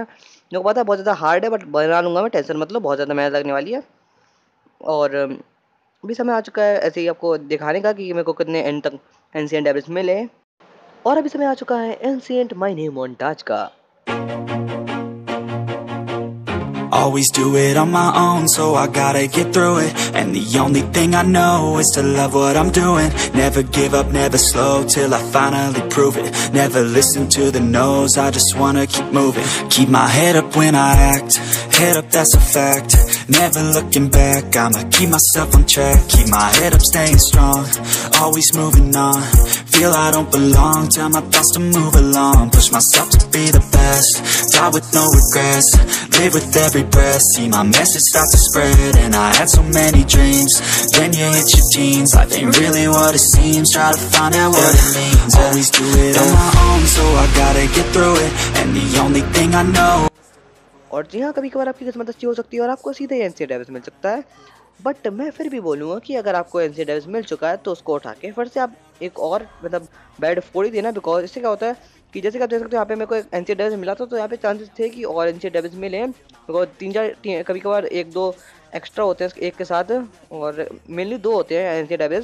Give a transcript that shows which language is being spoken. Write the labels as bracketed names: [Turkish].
[Hindi] मेरे को पता है बहुत ज़्यादा हार्ड है बट बना लूँगा मैं, टेंशन मतलब बहुत ज़्यादा मेहनत लगने वाली है। और अभी समय आ चुका है ऐसे ही आपको दिखाने का कि मेरे को कितने एंड तक एंशिएंट डेब्रिस मिले। और अभी समय आ चुका है एंशिएंट माइनिंग मोंटाज का। [English] Always do it on my own, so I gotta get through it. And the only thing I know is to love what I'm doing. Never give up, never slow, till I finally prove it. Never listen to the no's, I just wanna keep moving. Keep my head up when I act, head up, that's a fact. Never looking back, I'ma keep myself on track. Keep my head up, staying strong, always moving on. Feel I don't belong, tell my thoughts to move along. Push myself to be the best, die with no regrets. Live with every breath, see my message start to spread. And I had so many dreams, then you hit your teens. Life ain't really what it seems, try to find out what it means. Always do it on my own, so I gotta get through it. And the only thing I know. [Hindi] और जी हाँ, कभी कभार आपकी किस्मत अच्छी हो सकती है और आपको सीधे एंशिएंट डेविस मिल सकता है। बट मैं फिर भी बोलूँगा कि अगर आपको एंशिएंट डेविस मिल चुका है तो उसको उठा के फिर से आप एक और मतलब बेड फोड़ ही देना बिकॉज इससे क्या होता है कि जैसे कि आप देख सकते हो यहाँ पे मेरे को एक एंशिएंट डेविस मिला था तो यहाँ पे चांसेस थे कि और एंशिएंट डेविस मिले बिकॉज 3-4 कभी कभार 1-2 एक्स्ट्रा होते हैं एक के साथ और मेनली 2 होते हैं एंशिएंट डेविस।